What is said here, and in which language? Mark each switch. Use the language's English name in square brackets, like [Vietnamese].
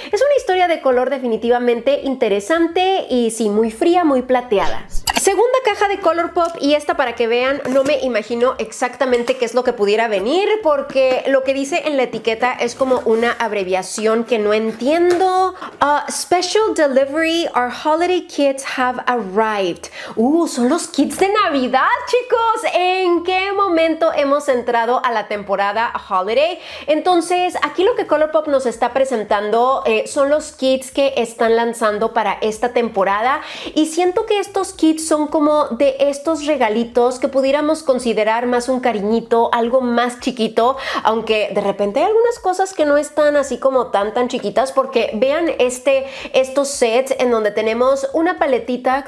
[Spanish] Es una historia de color definitivamente interesante y sí, muy fría, muy plateada. Segunda caja de ColourPop y esta, para que vean, no me imagino exactamente qué es lo que pudiera venir, porque lo que dice en la etiqueta es como una abreviación que no entiendo. [English] Special Delivery, our holiday kits have arrived. [Spanish] Son los kits de Navidad, chicos. ¿En qué momento hemos entrado a la temporada holiday? Entonces, aquí lo que ColourPop nos está presentando son los kits que están lanzando para esta temporada y siento que estos kits son como de estos regalitos que pudiéramos considerar más un cariñito, algo más chiquito, aunque de repente hay algunas cosas que no están así como tan chiquitas, porque vean estos sets en donde tenemos una paletita.